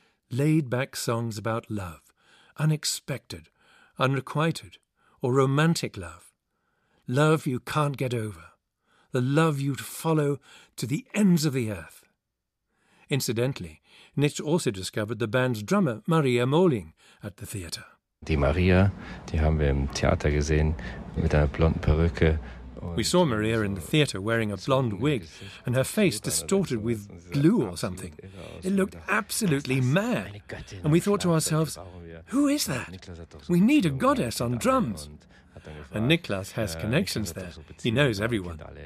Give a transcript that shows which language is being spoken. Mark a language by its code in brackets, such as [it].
[en] Laid-back songs about love, unexpected, unrequited, or romantic love. Love you can't get over. The love you'd follow to the ends of the earth. Incidentally, Nietzsche also discovered the band's drummer, Maria Mohling, at the theatre. [de] Die Maria, die haben wir im Theater gesehen, mit einer blonden Perücke. [en] We saw Maria in the theatre wearing a blonde wig and her face distorted with glue or something. It looked absolutely mad. And we thought to ourselves, who is that? We need a goddess on drums. And Niklas has connections there. He knows everyone.